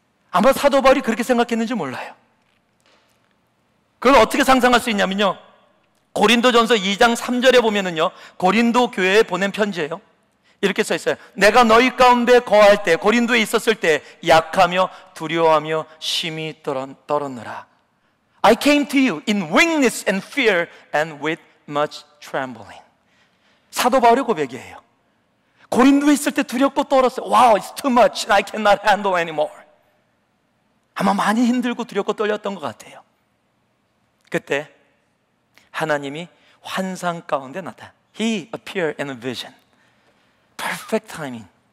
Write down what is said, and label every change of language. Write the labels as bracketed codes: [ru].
[ko] 아마 사도 바울이 그렇게 생각했는지 몰라요. 그걸 어떻게 상상할 수 있냐면요, 고린도전서 2장 3절에 보면은요, 고린도 교회에 보낸 편지예요. 이렇게 써 있어요. 내가 너희 가운데 거할 때, 고린도에 있었을 때 약하며 두려워하며 심히 떨었느라. [en] I came to you in weakness and fear and with much trembling. [ko] 사도 바울의 고백이에요. 고린도에 있을 때 두렵고 떨었어요. [en] Wow, it's too much. I cannot handle anymore. [ko] 아마 많이 힘들고 두렵고 떨렸던 것 같아요. 그때 하나님이 환상 가운데 나타. [en] He appeared in a vision. Perfect timing.